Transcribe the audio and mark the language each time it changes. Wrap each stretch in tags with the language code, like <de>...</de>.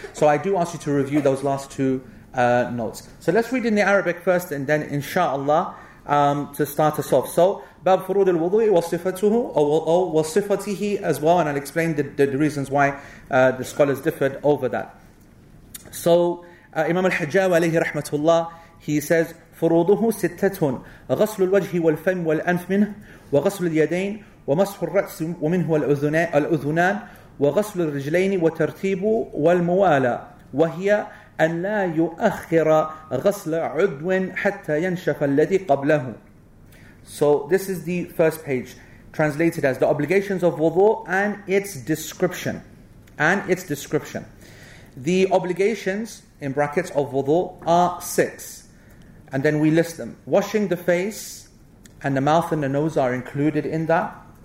<en>So I do ask you to review those last two notes. So let's read in the Arabic first, and then inshallah, to start us off. So,</en> <ar>باب فروض الوضوء وصفته أو وصفته</ar> <en>as well, and I'll explain the reasons why the scholars differed over that.</en> <ar>So, Imam al-Hajjaj عليه رحمة الله,</ar> <en>he says,</en> <ar>فروضه ستة غسل الوجه والفم والأنف منه وغسل اليدين ومسح الرأس ومنه الأذنان وغسل الرجلين وترتيب والموالى وهي أن لا يؤخر غسل عضو حتى ينشف الذي قبله.</ar> <en>So this is the first page, translated as the obligations of wudu and its description. And its description. The obligations, in brackets, of wudu are six. And then we list them. Washing the face and the mouth and the nose are included in that.</en>